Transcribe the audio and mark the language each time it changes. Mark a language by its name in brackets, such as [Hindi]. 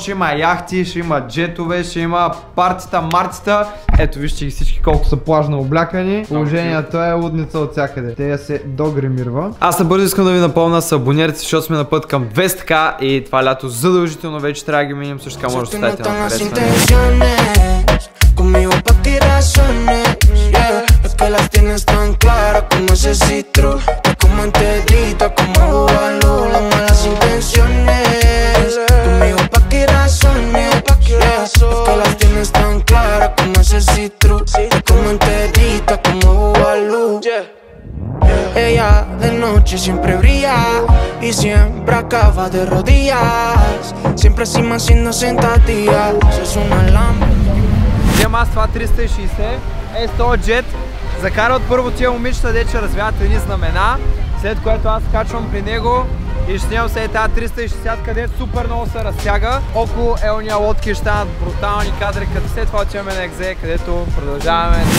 [Bulgarian] Ще има яхти, ще има джетове, ще има партита, марцита. Ето вижте ги всички колко са плажно облякани. Положението е лудница от всякъде. Те я се догримирва. Аз набързо искам да ви напомня с абонирайте, защото сме на път към 200к и това лято задължително вече трябва да ги минем, също така може да стати на напред. [Spanish] Intenciones conmigo pa ti razones, yeah. Es que las tienes tan claras como ese citro, como enterita, como balú. Las malas intenciones conmigo pa ti razones, yeah. Es que las tienes tan claras como ese citro, como enterita, como balú. Ella de noche siempre brilla y siempre acaba de rodillas. Siempre así más siendo sentadillas. Es una lámpara. [Bulgarian] Тема с това 360 е 100 джет. Закарват първо тия момичета, деча развяват едни знамена. След което аз качвам при него и снимам се тази 360, където супер много се разтяга. Около елния лодки ще станат брутални кадри, като след това отиваме на Екзе, където продължаваме.